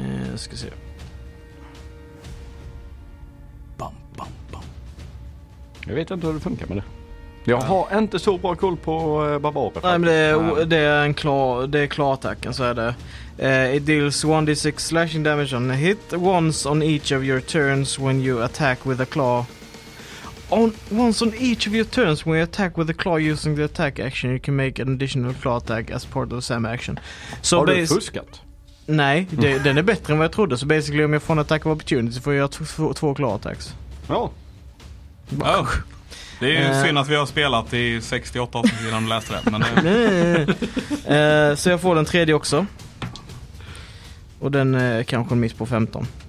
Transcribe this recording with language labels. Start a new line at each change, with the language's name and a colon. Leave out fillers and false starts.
Swedish: Jag ska se. Bam, bam, bam. Jag vet inte hur det funkar med det. Jag har inte så bra koll på barbarer. Nej, men det är klartecken, så är det.
English: It deals 1d6 slashing damage on a hit once on each of your turns when you attack with a claw. Once on each of your turns when you attack with a claw using the attack action, you can make an additional claw attack as part of the same action.
Swedish: So har du fuskat? Nej, den är bättre än vad jag trodde. Så basically om jag får en attack of opportunity får jag två claw attacks. Ja. Oh. Det är ju synd att vi har spelat i 68 år sedan du läste det. Men det... så jag får den tredje också. Och den är kanske en miss på 15.